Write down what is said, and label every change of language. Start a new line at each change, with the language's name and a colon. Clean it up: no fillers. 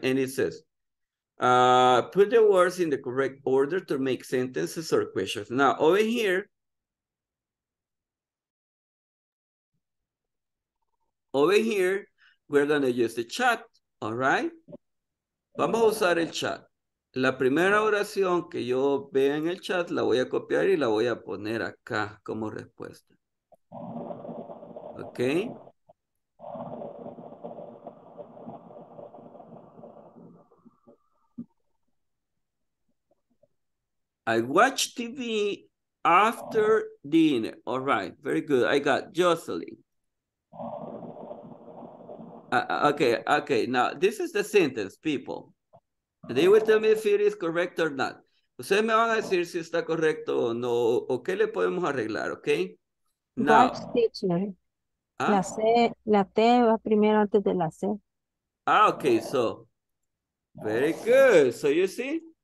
English: And it says, put the words in the correct order to make sentences or questions. Now, over here, we're going to use the chat, all right?
Spanish: Vamos a usar el chat. La primera oración que yo vea en el chat, la voy a copiar y la voy a poner acá como respuesta.
English: Okay. I watch TV after dinner. All right, very good. I got Jocelyn. Okay. Now, this is the sentence, people. They will tell me if it is correct or not.
Spanish: Ustedes me van a decir si está correcto o no, o qué le podemos arreglar, okay?
English: Now. Watch teacher. Ah.
Spanish: La C, la T va primero antes de la C.
English: Ah, okay, so. Very good. So, you see?